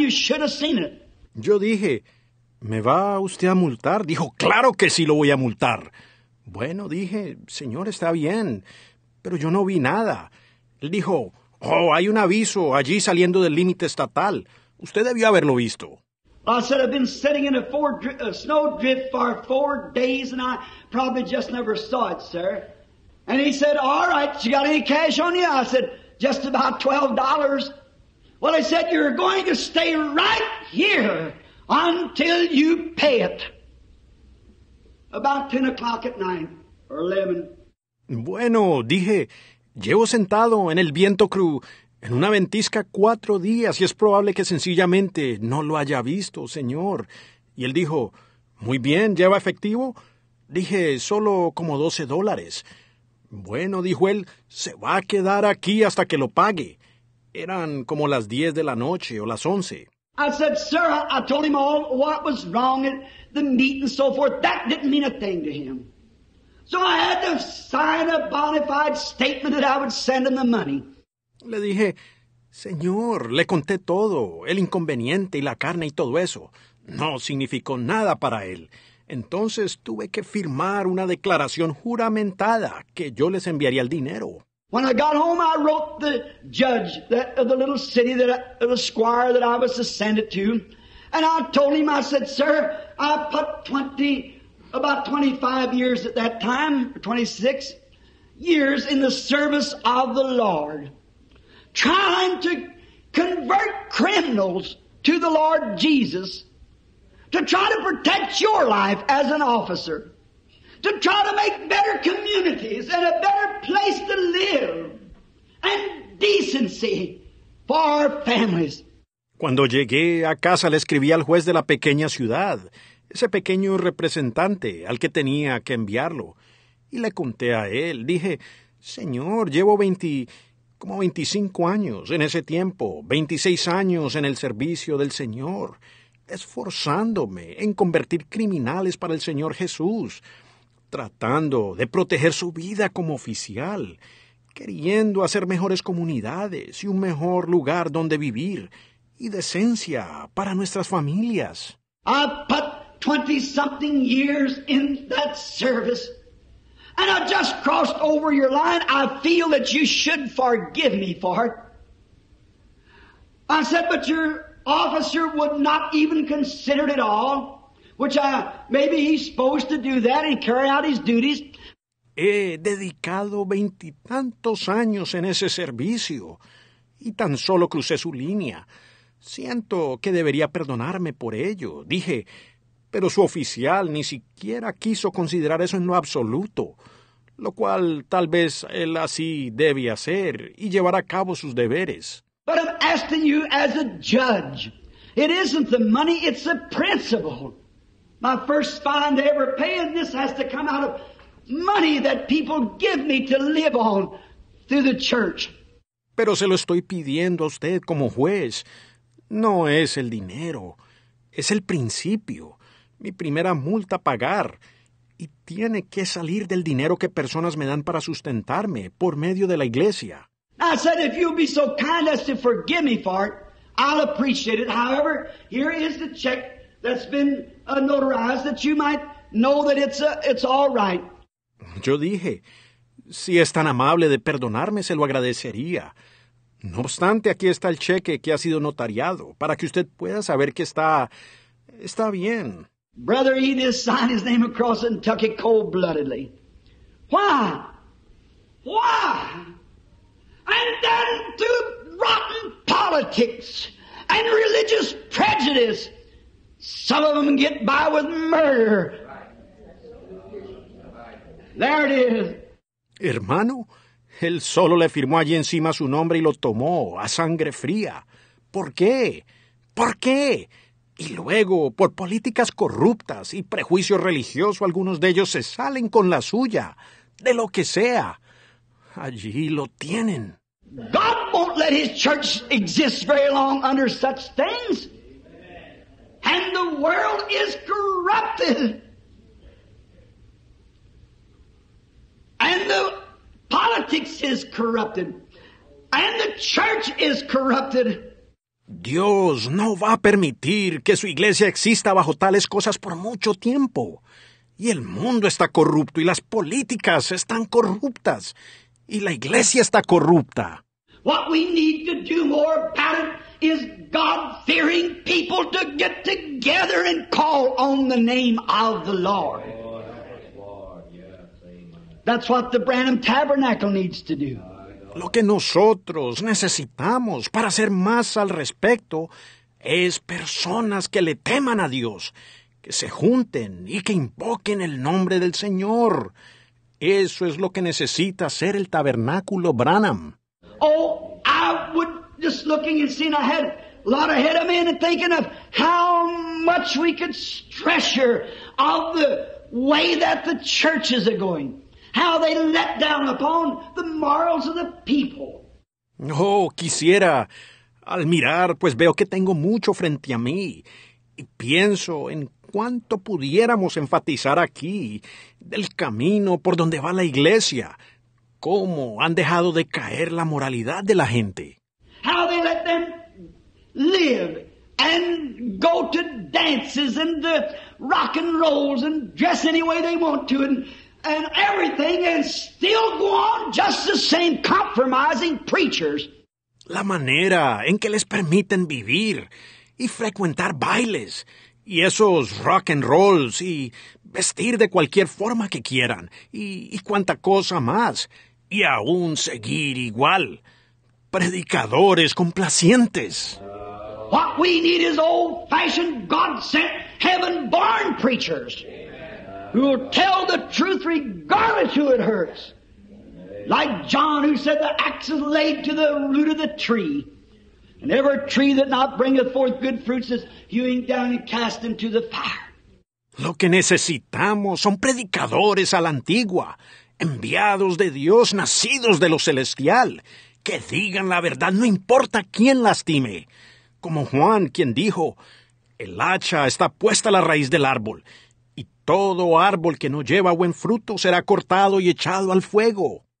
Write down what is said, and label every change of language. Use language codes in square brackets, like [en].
[en] You should have seen it. [es] Yo dije, ¿me va usted a multar? Dijo, claro que sí lo voy a multar. Bueno, dije, señor, está bien. Pero yo no vi nada. Él dijo, oh, hay un aviso allí saliendo del límite estatal. Usted debió haberlo visto. [en] I said, I've been sitting in a snow drift for 4 days and I probably just never saw it, sir. And he said, all right, you got any cash on you? I said, just about $12. Well, he said, you're going to stay right here until you pay it. About 10 o'clock at night, or 11. [es] Bueno, dije, llevo sentado en el viento crudo, en una ventisca 4 días, y es probable que sencillamente no lo haya visto, señor. Y él dijo, muy bien, ¿lleva efectivo? Dije, solo como $12. Bueno, dijo él, se va a quedar aquí hasta que lo pague. Eran como las 10 de la noche o las 11. [en] I said, sir, I told him all what was wrong and the meat and so forth. That didn't mean a thing to him. So I had to sign a bona fide statement that I would send him the money. [es] Le dije, señor, le conté todo, el inconveniente y la carne y todo eso. No significó nada para él. Entonces tuve que firmar una declaración juramentada que yo les enviaría el dinero. [en] When I got home, I wrote the judge that, of the little city, that I, the squire that I was to send it to, and I told him, I said, sir, I put about 25 years at that time, 26 years in the service of the Lord, trying to convert criminals to the Lord Jesus, to try to protect your life as an officer, to try to make better communities and a better place to live and decency for our families. [es] Cuando llegué a casa, le escribí al juez de la pequeña ciudad, ese pequeño representante al que tenía que enviarlo, y le conté a él. Dije, señor, llevo 25 años en ese tiempo, 26 años en el servicio del Señor, esforzándome en convertir criminales para el Señor Jesús, tratando de proteger su vida como oficial, queriendo hacer mejores comunidades y un mejor lugar donde vivir y decencia para nuestras familias. [en] I put 20-something years in that service, and I just crossed over your line. I feel that you should forgive me for it. I said, but your officer would not even consider it at all. Maybe he's supposed to do that and carry out his duties. [es] He dedicado 20-tantos años en ese servicio y tan solo crucé su línea. Siento que debería perdonarme por ello, dije, pero su oficial ni siquiera quiso considerar eso en lo absoluto, lo cual tal vez él así debe hacer y llevar a cabo sus deberes. [en] But I'm asking you as a judge. It isn't the money, it's the principle. My first fine to ever pay, and this has to come out of money that people give me to live on through the church. [es] Pero se lo estoy pidiendo a usted como juez. No es el dinero. Es el principio, mi primera multa a pagar. Y tiene que salir del dinero que personas me dan para sustentarme por medio de la iglesia. [en] I said, if you'll be so kind as to forgive me for it, I'll appreciate it. However, here is the check that's been notarized that you might know that it's all right. [es] Yo dije, si es tan amable de perdonarme, se lo agradecería. No obstante, aquí está el cheque que ha sido notariado, para que usted pueda saber que está bien. [en] Brother, he just signed his name across and took it cold-bloodedly. Why? Why? And then through rotten politics and religious prejudice, some of them get by with murder. There it is. [es] Hermano, él solo le firmó allí encima su nombre y lo tomó a sangre fría. ¿Por qué? ¿Por qué? Y luego, por políticas corruptas y prejuicio religioso, algunos de ellos se salen con la suya, de lo que sea. Allí lo tienen. [en] God won't let his church exist very long under such things. And the world is corrupted. And the politics is corrupted. And the church is corrupted. [es] Dios no va a permitir que su iglesia exista bajo tales cosas por mucho tiempo. Y el mundo está corrupto y las políticas están corruptas. Y la iglesia está corrupta. [en] What we need to do more about it is God-fearing people to get together and call on the name of the Lord. That's what the Branham Tabernacle needs to do. [es] Lo que nosotros necesitamos para hacer más al respecto es personas que le teman a Dios, que se junten y que invoquen el nombre del Señor. Eso es lo que necesita hacer el Tabernáculo Branham. [en] Oh, I would just looking and seeing ahead, a lot ahead of me and thinking of how much we could treasure of the way that the churches are going. How they let down upon the morals of the people. [es] Oh, quisiera. Al mirar, pues veo que tengo mucho frente a mí. Y pienso en cuánto pudiéramos enfatizar aquí del camino por donde va la iglesia. Cómo han dejado de caer la moralidad de la gente. [en] How they let them live and go to dances and the rock and rolls and dress any way they want to and everything and still go on just the same compromising preachers. [es] La manera en que les permiten vivir y frecuentar bailes y esos rock and rolls y vestir de cualquier forma que quieran y cuanta cosa más. Y aún seguir igual. Predicadores complacientes. [en] What we need is old-fashioned, God-sent, heaven-born preachers. Amen. Who will tell the truth regardless who it hurts. Like John who said the axe is laid to the root of the tree. And every tree that not bringeth forth good fruits is hewn down and cast into the fire. [es] Lo que necesitamos son predicadores a la antigua. Enviados de Dios, nacidos de lo celestial, que digan la verdad, no importa quién lastime. Como Juan, quien dijo, el hacha está puesta a la raíz del árbol, y todo árbol que no lleva buen fruto será cortado y echado al fuego.